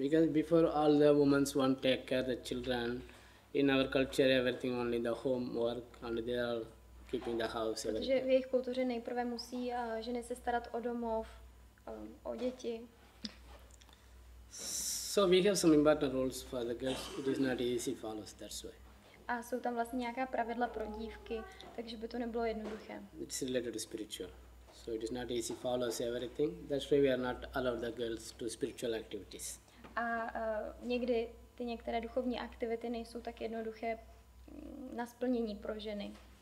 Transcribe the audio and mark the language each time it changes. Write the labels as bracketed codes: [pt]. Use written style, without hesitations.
[en] Because all the women want to take care of the children, in our culture everything only the homework and they are keeping the house. [cs] Protože v jejich kultuře nejprve musí ženy se starat o domov, o děti. [en] So we have some important roles for the girls. It is not easy for us, that's why. [cs] A jsou tam vlastně nějaká pravidla pro dívky, takže by to nebylo jednoduché. [en] It's related to spiritual. So it is not easy for us everything. That's why we are not allowed the girls to spiritual activities. [cs] A někdy ty některé duchovní aktivity nejsou tak jednoduché na splnění pro ženy.